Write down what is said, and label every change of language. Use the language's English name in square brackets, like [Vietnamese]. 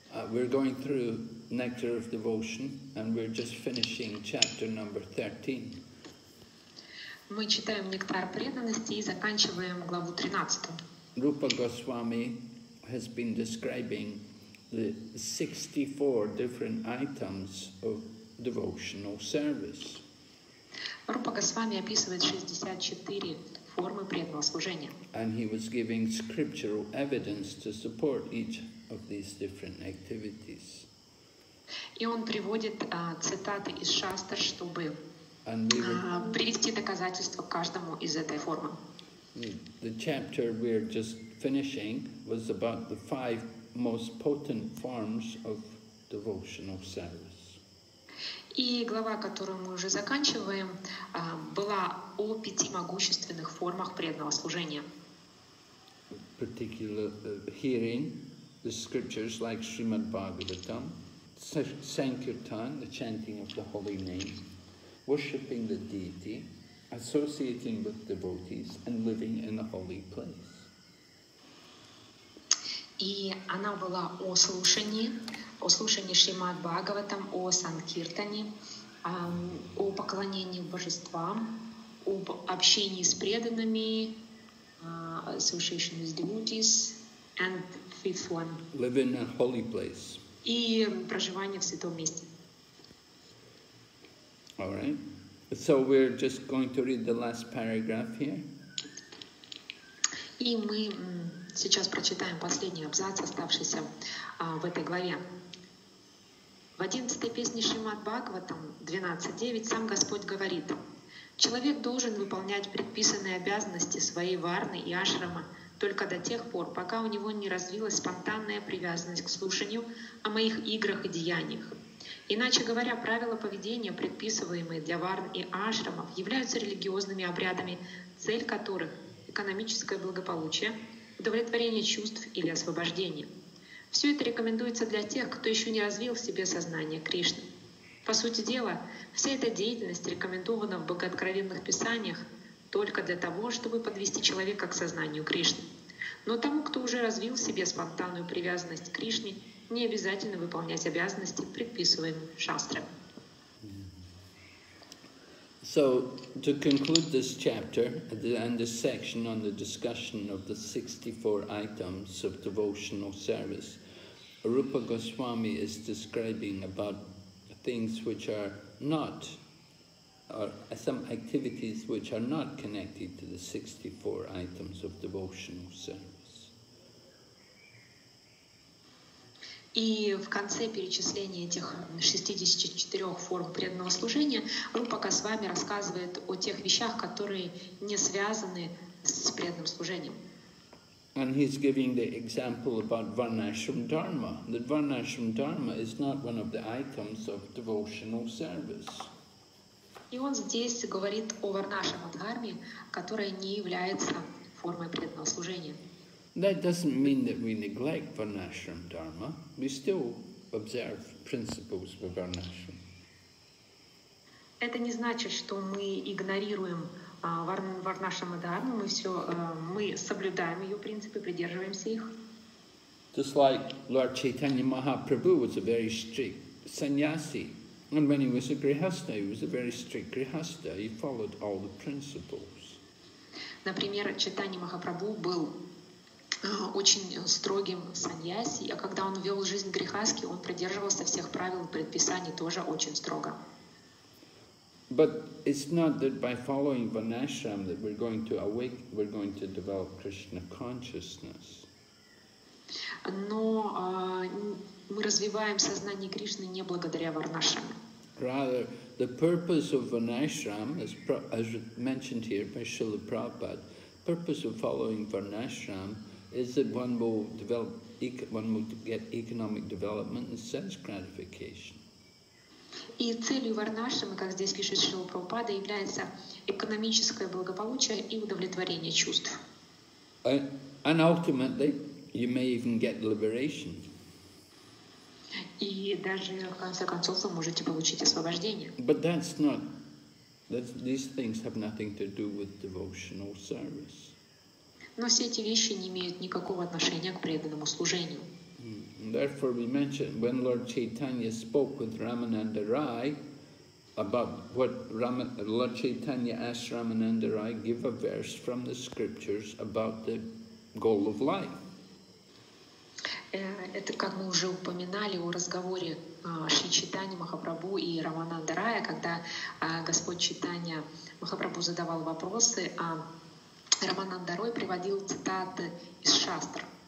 [English] We're going through Nectar of Devotion and we're just finishing chapter number 13. [Russian] Мы читаем Нектар преданности и заканчиваем главу 13. [English] Rupa Goswami has been describing the 64 different items of devotional service. [Russian] Rupa Goswami описывает 64 формы преданного служения. [English] And he was giving scriptural evidence to support each of these different activities. [Russian] И он приводит цитаты из шастр, чтобы привести доказательства каждому из этой формы. [English] The chapter we're just finishing was about the five most potent forms of devotional service. [Russian] И глава, которую мы уже заканчиваем, была о пяти могущественных формах преданного служения. [English] Particular hearing the scriptures like Srimad Bhagavatam, Sankirtan, the chanting of the holy name, worshipping the deity, associating with devotees, and living in a holy place. [Russian] И она была о слушании Шримад Бхагаватам, о Санкиртане, о поклонении божествам, об общении с преданными, [English] association with devotees, and fifth one. Living in a holy place. [Russian] И проживание в святом месте. [English] All right. So we're just going to read the last paragraph here. [Russian] И мы сейчас прочитаем последний абзац, оставшийся в этой главе. В 11-й песне Шримад Бхагаватам 12.9 сам Господь говорит: «Человек должен выполнять предписанные обязанности своей варны и ашрама только до тех пор, пока у него не развилась спонтанная привязанность к слушанию о моих играх и деяниях. Иначе говоря, правила поведения, предписываемые для варн и ашрамов, являются религиозными обрядами, цель которых – экономическое благополучие, удовлетворение чувств или освобождение. Все это рекомендуется для тех, кто еще не развил в себе сознание Кришны. По сути дела, вся эта деятельность рекомендована в богооткровенных писаниях только для того, чтобы подвести человека к сознанию Кришны. Но тому, кто уже развил в себе спонтанную привязанность к Кришне, не обязательно выполнять обязанности, предписываемые шастрами. [English] So, to conclude this chapter and this section on the discussion of the 64 items of devotional service, Rupa Goswami is describing about things which are not, or some activities which are not connected to the 64 items of devotional service. [Russian] И в конце перечисления этих 64 форм преданного служения Рупа Госвами рассказывает о тех вещах, которые не связаны с преданным служением. [English] And he's giving the example about Varnashram Dharma, that Varnashram Dharma is not one of the items of devotional service. [Russian] И он здесь говорит о Варнашрама Дхарме, которая не является формой преданного служения. [English] That doesn't mean that we neglect Varnashram Dharma. We still observe principles of Varnashram. [Russian] Это не значит, что мы игнорируем Варнашрама Дхарму. Мы соблюдаем ее принципы, придерживаемся их. [English] Just like Lord Chaitanya Mahaprabhu was a very strict sannyasi. And when he was a grihastha, he was a very strict grihastha. He followed all the principles. [Russian] Например, Чайтанья Махапрабху был очень строгим саньяси, а когда он вел жизнь грехаски, он придерживался всех правил и предписаний тоже очень строго. [English] But it's not that by following Vanashram that we're going to awake, we're going to develop Krishna consciousness. [Russian] Но мы развиваем сознание Кришны не благодаря Варнашраме. [English] Rather, the purpose of Vanashram, as mentioned here by Srila Prabhupada, purpose of following Varnashram is that one will develop, one will get economic development and sense gratification. [Russian] И целью Варнашрама, как здесь пишет Шрила Прабхупада, является экономическое благополучие и удовлетворение чувств. [English] And ultimately, you may even get liberation. [Russian] И даже в конце концов вы можете получить освобождение. [English] But that's not, these things have nothing to do with devotional service. [Russian] Но все эти вещи не имеют никакого отношения к преданному служению. [English] Therefore, we mentioned when Lord Chaitanya spoke with Ramananda Rai about what Lord Chaitanya asked Ramananda Rai, give a verse from the scriptures about the goal of life. [Russian] Это как мы уже упоминали о разговоре Шри Чайтаньи Махапрабху и Рамананда Рая, когда Господь Чайтанья Махапрабху задавал вопросы, а Рамананда Рай приводил цитаты из шастр.